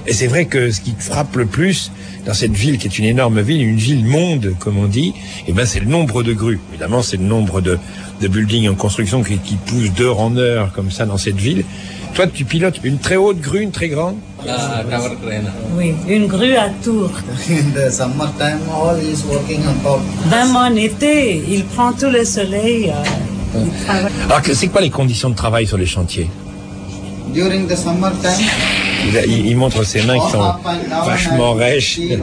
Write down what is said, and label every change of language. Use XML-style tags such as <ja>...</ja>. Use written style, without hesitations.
<fr>Et c'est vrai que ce qui frappe le plus dans cette ville, qui est une énorme ville, une ville monde, comme on dit, eh ben, c'est le nombre de grues. Évidemment, c'est le nombre de buildings en construction qui poussent d'heure en heure, comme ça, dans cette ville. Toi, tu pilotes une très haute grue, une très grande?</fr> <en>Tower crane.</en> <fr>Oui, une grue à tours.</fr> <en>In the summertime, all is working on top.</en> <fr>Même en été, il prend tout le soleil. Alors, c'est quoi les conditions de travail sur les chantiers?</fr> <en>During the summertime.</en> <fr>Il montre ses mains qui sont vachement rêches.</fr>